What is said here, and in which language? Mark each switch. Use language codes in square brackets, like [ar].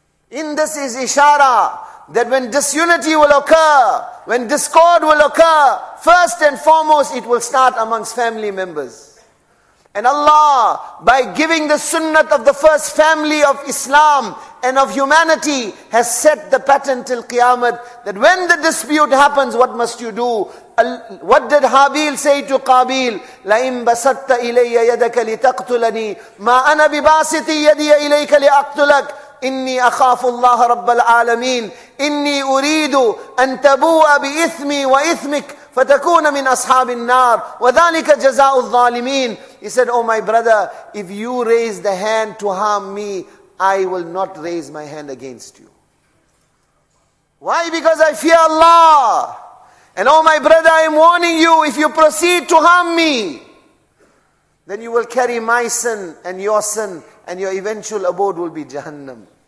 [en] In this is ishara that when disunity will occur, when discord will occur, first and foremost, it will start amongst family members. And Allah, by giving the sunnah of the first family of Islam and of humanity, has set the pattern till Qiyamah, that when the dispute happens, what must you do? What did Habil say to Qabil? [ar] لَإِن بَسَتَّ إِلَيَّ يَدَكَ لِتَقْتُلَنِي مَا أَنَا بِبَاسِتِي يَدِيَ إِلَيْكَ لِأَقْتُلَكَ إني أخاف الله رب العالمين إني أريد أن تبوء بإثمي وإثمك فتكون من أصحاب النار وذلك جزاء الظالمين. [en] He said, oh my brother, if you raise the hand to harm me, I will not raise my hand against you. Why? Because I fear Allah. And oh my brother, I am warning you, if you proceed to harm me, then you will carry my sin and your sin, and your eventual abode will be Jahannam.